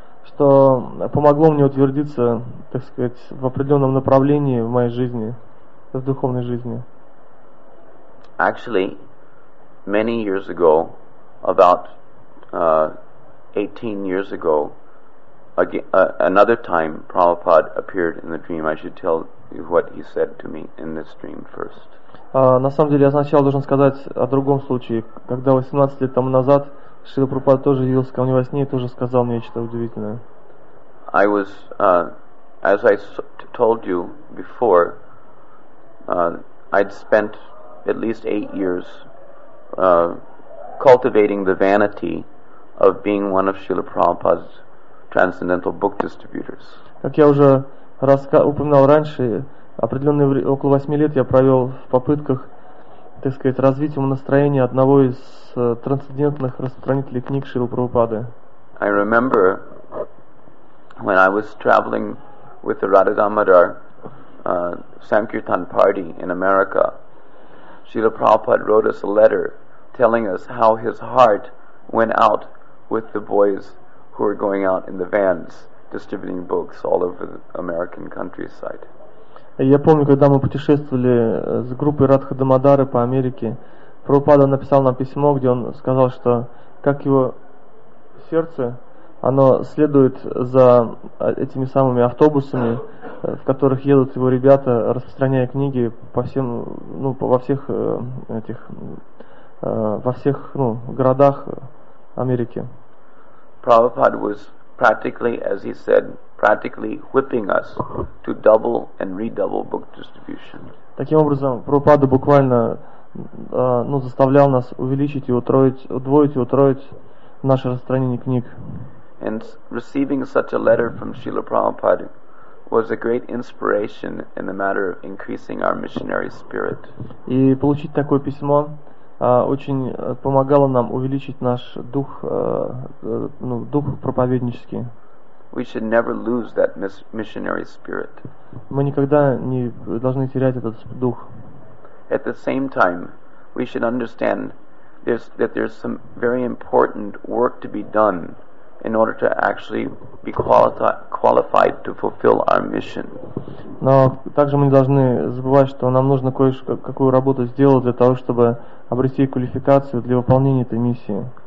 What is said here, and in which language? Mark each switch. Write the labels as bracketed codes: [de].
[ru] Что помогло мне утвердиться, так сказать, в определенном направлении в моей жизни, в духовной жизни. [en] Actually, many years ago, about 18 years ago, again, another time, Prabhupada appeared in the dream. I should tell you what he said to me in this dream first. [ru] На самом деле, я сначала должен сказать о другом случае, когда 18 лет тому назад Шрила Прабхупада тоже явился ко мне во сне и тоже сказал мне что-то удивительное. [en] I was, as I told you before, I'd spent at least 8 years cultivating the vanity of being one of Srila Prabhupada's transcendental book distributors. [ru] Как я уже упоминал раньше, определенные около 8 лет я провел в попытках, так сказать, развить умонастроение одного из трансцендентных распространителей книг Шрилы Прабхупады. [en] I remember when I was traveling with the Radha Damodar Sankirtan party in America, Srila Prabhupada wrote us a letter telling us how his heart went out with the boys who were going out in the vans distributing books all over the American countryside. [ru] Я помню, когда мы путешествовали с группой Радха Дамодары по Америке, Прабхупада написал нам письмо, где он сказал, что как его сердце, оно следует за этими самыми автобусами, в которых едут его ребята, распространяя книги по всем, ну, по, во всех этих, во всех, ну, городах Америки. [en] Prabhupada was practically, as he said, practically whipping us to double and redouble book distribution. [ru] Таким образом, Прабхупада буквально, ну, заставлял нас увеличить и утроить, удвоить и утроить наше распространение книг. [en] And receiving such a letter from Srila Prabhupada was a great inspiration in the matter of increasing our missionary spirit. [ru] И получить такое письмо очень помогало нам увеличить наш дух, ну, дух проповеднический. [en] We should never lose that missionary spirit. [ru] Мы никогда не должны терять этот дух. [en] At the same time, we should understand that there's some very important work to be done in order to actually be qualified to fulfill our mission. [ru] Но также мы не должны забывать, что нам нужно кое-какую работу сделать для того, чтобы обрести квалификацию для выполнения этой миссии.